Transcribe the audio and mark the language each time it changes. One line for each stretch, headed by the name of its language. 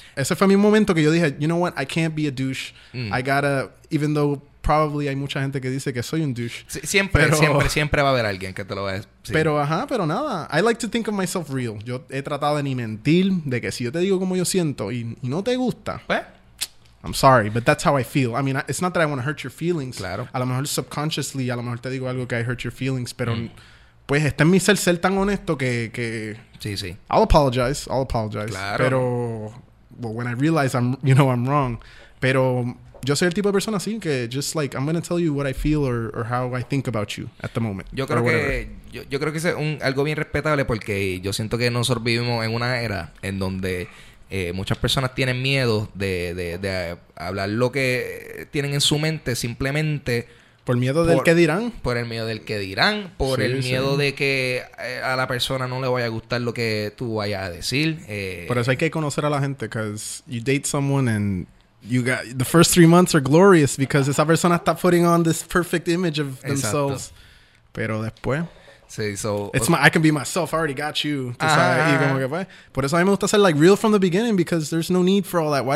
English: Ese fue mi momento que yo dije, you know what, I can't be a douche, I gotta, even though probably
Spanish: hay mucha gente que dice que soy un douche. Sí, siempre, pero, siempre, siempre va a haber alguien que te lo va a decir. Pero, ajá, pero nada,
English: I like to think of myself real.
Spanish: Yo he tratado de ni mentir, de que si yo te digo como yo siento y no te gusta, pues,
English: I'm sorry, but that's how I feel. I mean, it's not that I want to hurt your feelings.
Spanish: Claro. A lo mejor subconsciously, a lo mejor te digo algo que
English: I hurt your feelings,
Spanish: pero pues está en mi ser tan honesto que... Sí, sí.
English: I'll apologize.
Spanish: Claro.
English: Pero, well, when I realize I'm, you know, I'm wrong.
Spanish: Pero yo soy el tipo de persona así que
English: just like, I'm going to tell you what I feel or how I think about you at the moment.
Spanish: Yo creo que... Yo creo que es algo bien respetable porque yo siento que nosotros vivimos en una era en donde... muchas personas tienen miedo de hablar lo que tienen en su mente simplemente... ¿Por miedo del qué dirán? Por el miedo del qué dirán. Por el miedo de que a la persona no le vaya a gustar lo que tú vayas a decir. Por eso hay que conocer a la gente.
English: Because you date someone and you got the first 3 months are glorious. Because
Spanish: esa persona está
English: putting on this perfect image of themselves.
Spanish: Exacto. Pero después...
English: Sí, so it's my, I can be myself. I already got you.
Spanish: Y como que, por eso a mí me gusta ser
English: like real from the beginning because there's no need for all that.